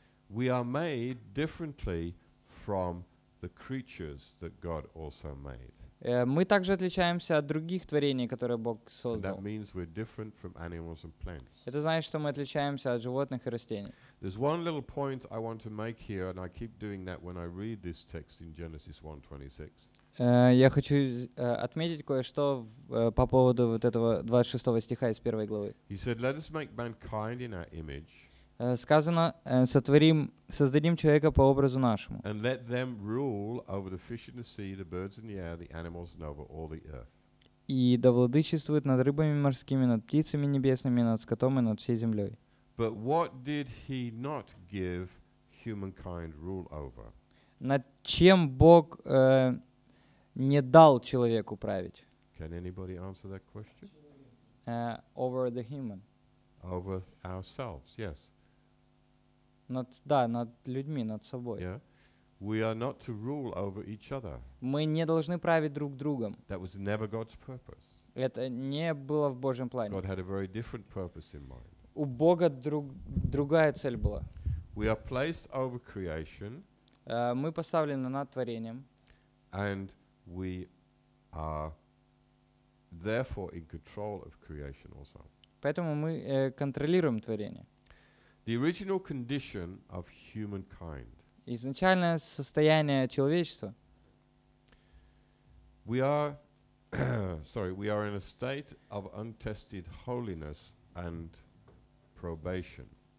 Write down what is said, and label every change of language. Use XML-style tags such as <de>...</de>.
<en>We are made differently from the creatures that God also made.</en> <ru>Мы также отличаемся от других творений, которые Бог создал.</ru> <en>And that means we're different from animals and plants.</en> <ru>Это значит, что мы отличаемся от животных и растений.</ru> <en>There's one little point I want to make here, and I keep doing that when I read this text in Genesis 1:26.</en> <ru>Я хочу отметить кое-что по поводу вот этого 26 стиха из первой главы.</ru> <en>He said, "Let us make mankind in our image."</en> <ru>Сказано, сотворим, создадим человека по образу нашему.</ru> <en>And let them rule over the fish in the sea, the birds in the air, the animals, and over all the earth.</en> <ru>И да владычествуют над рыбами морскими, над птицами небесными, над скотом и над всей землей.</ru> <en>But what did he not give humankind rule over?</en> <ru>Над чем Бог не дал человеку править?</ru> <en>Can anybody answer that question? Over the human. Over ourselves, yes.</en> <ru>Над людьми, над собой.</ru> <en>Yeah. We are not to rule over each other.</en> <ru>Мы не должны править друг другом.</ru> <en>That was never God's purpose.</en> <ru>Это не было в Божьем плане.</ru> <en>God had a very different purpose in mind.</en> <ru>У Бога другая цель была.</ru> <en>We are placed over creation.</en> <ru>Мы поставлены над творением.</ru> <en>And we are therefore in control of creation also.</en> <ru>Поэтому мы контролируем творение.</ru> <en>The original condition of humankind.</en> <ru>Изначальное состояние человечества.</ru> <en>We are in a state of untested holiness and probation.</en>